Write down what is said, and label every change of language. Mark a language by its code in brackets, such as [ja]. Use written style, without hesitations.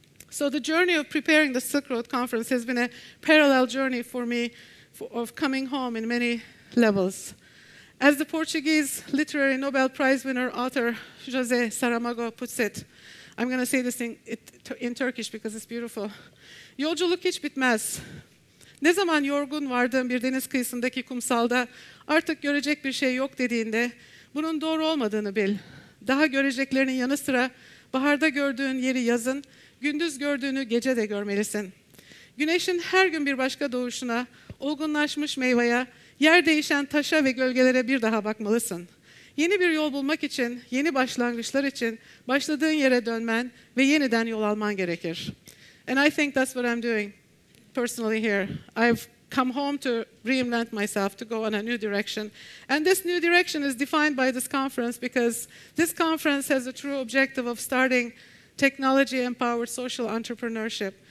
[en] So the journey of preparing the Silk Road Conference has been a parallel journey for me of coming home in many levels. As the Portuguese literary Nobel Prize winner author José Saramago puts it, I'm going to say this in Turkish because it's beautiful. [tr] Yolculuk hiç bitmez. Ne zaman yorgun vardığın bir deniz kıyısındaki kumsalda artık görecek bir şey yok dediğinde bunun doğru olmadığını bil. Daha göreceklerinin yanı sıra baharda gördüğün yeri yazın, gündüz gördüğünü gece de görmelisin. Güneşin her gün bir başka doğuşuna, olgunlaşmış meyveye, yer değişen taşa ve gölgelere bir daha bakmalısın. Yeni bir yol bulmak için, yeni başlangıçlar için başladığın yere dönmen ve yeniden yol alman gerekir. [en] And I think that's what I'm doing personally here. I've come home to reinvent myself, to go on a new direction. And this new direction is defined by this conference, because this conference has a true objective of starting technology-empowered social entrepreneurship.